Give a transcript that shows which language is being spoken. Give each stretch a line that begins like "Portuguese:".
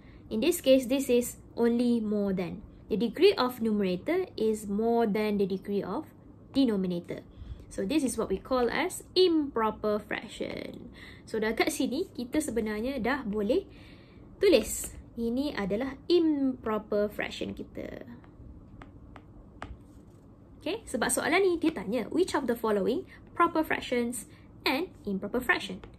English: In this case, this is only more than. The degree of numerator is more than the degree of denominator. So, this is what we call as improper fraction.
Malay: So, dekat sini, kita sebenarnya dah boleh tulis. Ini adalah improper fraction kita.
English: Okay,
Malay: sebab soalan ni dia tanya,
English: which of the following proper fractions and improper fraction?